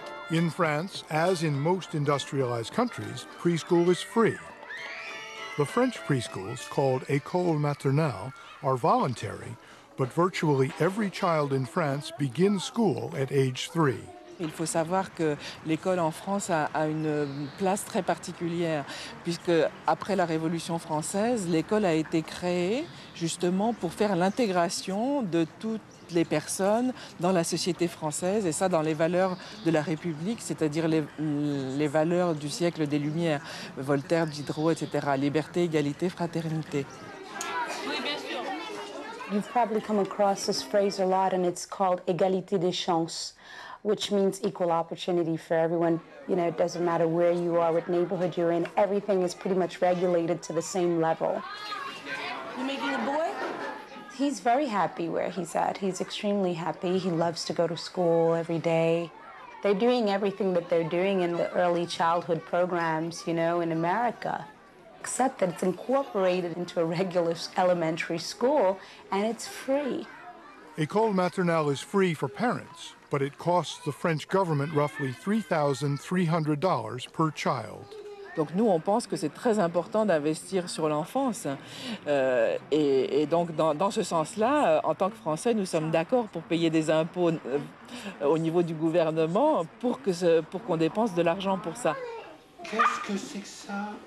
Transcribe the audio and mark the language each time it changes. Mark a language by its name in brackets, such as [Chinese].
[English] In France, as in most industrialized countries, preschool is free. The French preschools, called École Maternelle, are voluntary, but virtually every child in France begins school at age 3. [French] Il faut savoir que l'école en France a une place très particulière, puisque après la Révolution française, l'école a été créée justement pour faire l'intégration de toutes les personnes dans la société française, et ça dans les valeurs de la République, c'est-à-dire les valeurs du siècle des Lumières, Voltaire, Diderot, etc., liberté, égalité, fraternité. [English] You've probably come across this phrase a lot, and it's called égalité des chances, which means equal opportunity for everyone. You know, it doesn't matter where you are, what neighborhood you're in, everything is pretty much regulated to the same level. You making a boy? He's very happy where he's at. He's extremely happy. He loves to go to school every day. They're doing everything that they're doing in the early childhood programs, you know, in America, except that it's incorporated into a regular elementary school, and it's free. École Maternelle is free for parents, but it costs the French government roughly $3,300 per child. [French] Donc nous, on pense que c'est très important d'investir sur l'enfance. Et donc, dans ce sens-là, en tant que Français, nous sommes d'accord pour payer des impôts au niveau du gouvernement pour qu'on dépense de l'argent pour ça. Qu'est-ce que c'est que ça?